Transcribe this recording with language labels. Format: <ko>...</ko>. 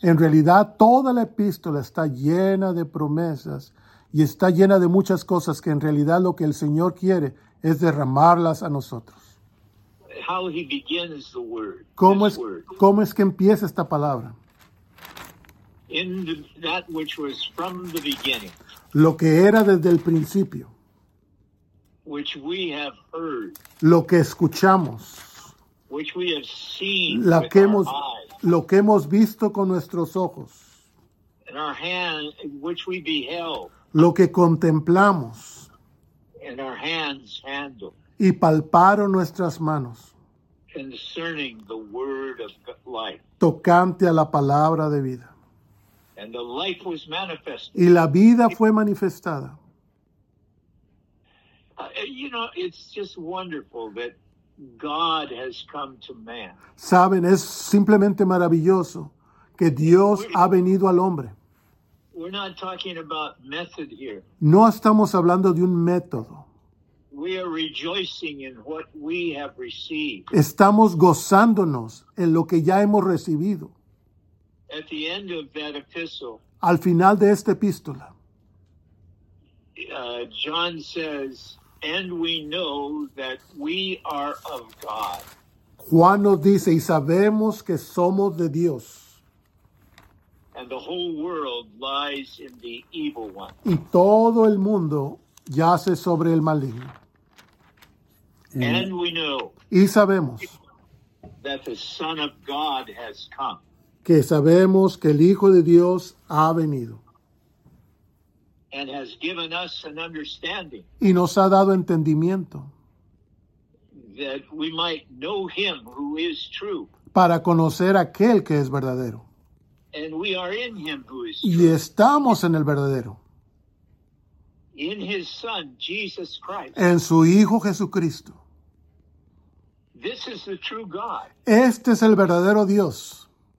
<es>En realidad, toda la epístola está llena de promesas y está llena de muchas cosas que en realidad lo que el Señor quiere es derramarlas a nosotros.</es> <en>How he begins the word.</en> <es>¿Cómo es que empieza esta palabra?</es> <en>In that which was from the beginning.</en> <es>Lo que era desde el principio.</es> <en>Which we have heard,</en> <es>lo que escuchamos,</es> <en>which we have seen,</en> <es>lo que hemos visto con nuestros ojos,</es> <en>and our hand, which we beheld,</en> <es>lo que contemplamos,</es> <en>and our hands handled,</en> <es>y palparon nuestras manos,</es> <en>concerning the word of life,</en> <es>tocante a la palabra de vida,</es> <en>and the life was manifested,</en> <es>y la vida fue manifestada.</es> <en>You know, it's just wonderful that God has come to man.</en> <es>Saben, es simplemente maravilloso que Dios ha venido al hombre.</es> <en>We're not talking about method here.</en> <es>No estamos hablando de un método.</es> <en>We are rejoicing in what we have received.</en> <es>Estamos gozándonos en lo que ya hemos recibido.</es> <en>At the end of that epistle.</en> <es>Al final de esta epístola.</es> <en>John says, and we know that we are of God.</en> <es>Juan nos dice, y sabemos que somos de Dios.</es> <en>And the whole world lies in the evil one.</en> <es>Y todo el mundo yace sobre el maligno.</es> <en>And we know.</en> <es>Y sabemos.</es> <en>That the Son of God has come.</en> <es>Que sabemos que el Hijo de Dios ha venido.</es> <en>And has given us an understanding.</en> <es>Y nos ha dado entendimiento.</es> <en>That we might know him who is true.</en> <es>Para conocer aquel que es verdadero.</es> <en>And we are in him who is true.</en> <es>Y estamos en el verdadero.</es> <en>In his son, Jesus Christ.</en> <es>En su Hijo Jesucristo.</es> <en>This is the true God.</en> <es>Este es el verdadero Dios.</es>